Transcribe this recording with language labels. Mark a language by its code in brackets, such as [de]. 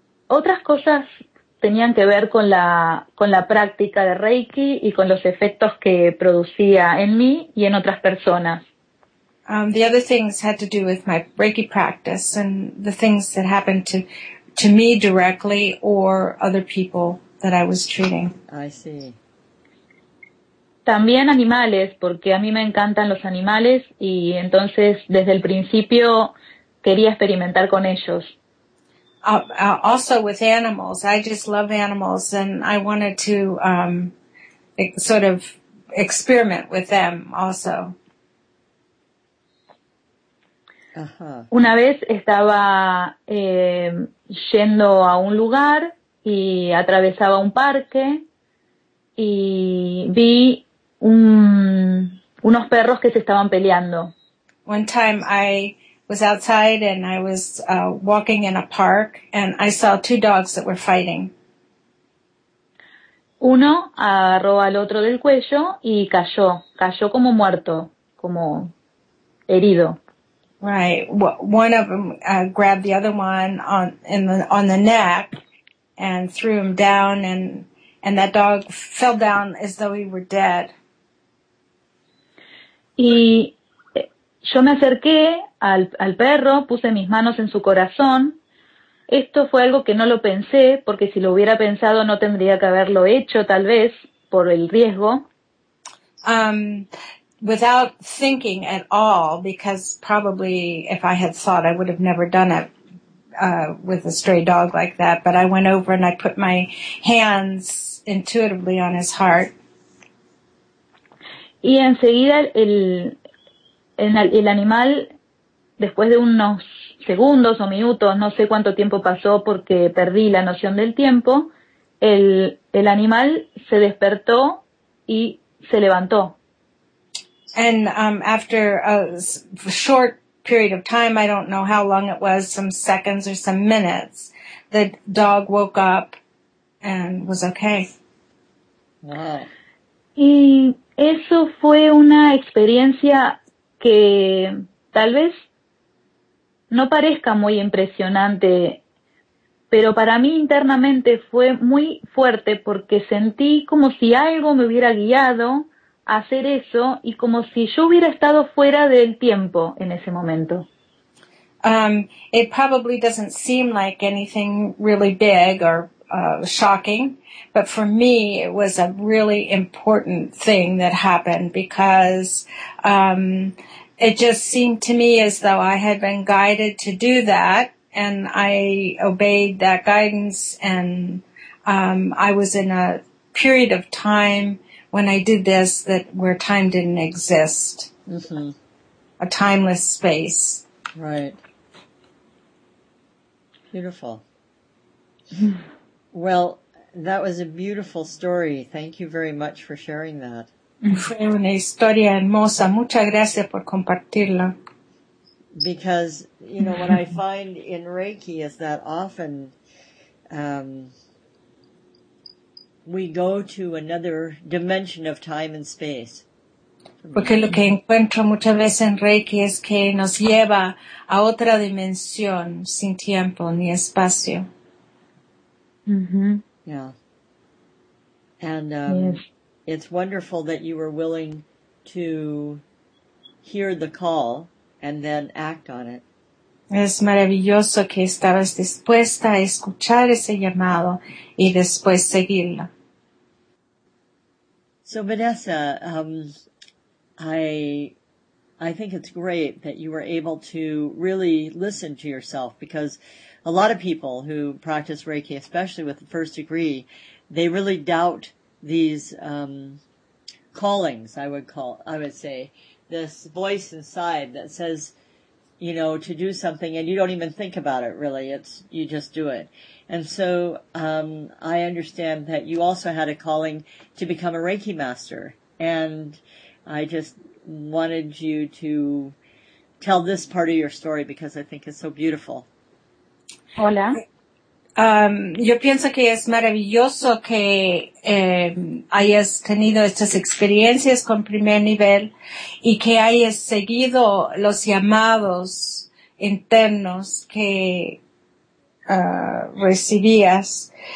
[es] Otras cosas tenían que ver con la práctica de Reiki y con los efectos que producía en mí y en otras personas. [en] The other things had to do with my Reiki practice and the things that happened to me directly or other people that I was treating. I see. [es] También animales, porque a mí me encantan los animales y entonces desde el principio quería experimentar con ellos. [en] Also with animals. I just love animals and I wanted to sort of experiment with them also. Uh-huh. [es] Una vez estaba yendo a un lugar y atravesaba un parque y vi unos perros que se estaban peleando. [en] One time I was outside and I was walking in a park and I saw two dogs that were fighting. [es] Uno agarró al otro del cuello y cayó como muerto, como herido. [en] Right. One of them grabbed the other one on the neck and threw him down, and that dog fell down as though he were dead. [es] Y yo me acerqué al perro, puse mis manos en su corazón. Esto fue algo que no lo pensé, porque si lo hubiera pensado no tendría que haberlo hecho, tal vez, por el riesgo. [en] Without thinking at all, because probably if I had thought, I would have never done it with a stray dog like that. But I went over and I put my hands intuitively on his heart. [es] Y enseguida el animal, después de unos segundos o minutos, no sé cuánto tiempo pasó porque perdí la noción del tiempo, el animal se despertó y se levantó. [en] And after a short period of time, I don't know how long it was, some seconds or some minutes, the dog woke up and was okay. Wow. [es] Y eso fue una experiencia que tal vez no parezca muy impresionante, pero para mí internamente fue muy fuerte porque sentí como si algo me hubiera guiado hacer eso y como si yo hubiera estado fuera del tiempo en ese momento. [en] It probably doesn't seem like anything really big or shocking, but for me, it was a really important thing that happened because it just seemed to me as though I had been guided to do that, and I obeyed that guidance, and I was in a period of time when I did this that where time didn't exist, mm-hmm. a timeless space. Right. Beautiful. Well, that was a beautiful story. Thank you very much for sharing that. [es] Fue una historia hermosa. Muchas gracias por compartirla. [en] Because, you know, what I find in Reiki is that often we go to another dimension of time and space. [es] Porque lo que encuentro muchas veces en Reiki es que nos lleva a otra dimensión sin tiempo ni espacio. Mm-hmm. [en] Yeah. And yes. It's wonderful that you were willing to hear the call and then act on it. [es] Es maravilloso que estabas dispuesta a escuchar ese llamado y después seguirlo. [en] So, Vanessa, I think it's great that you were able to really listen to yourself, because a lot of people who practice Reiki, especially with the first degree, they really doubt these callings, I would say, this voice inside that says, you know, to do something, and you don't even think about it, really. It's, you just do it. And so I understand that you also had a calling to become a Reiki master, and I just wanted you to tell this part of your story because I think it's so beautiful. [es] Hola. Yo pienso que es maravilloso que hayas tenido estas experiencias con primer nivel y que hayas seguido los llamados internos que recibías.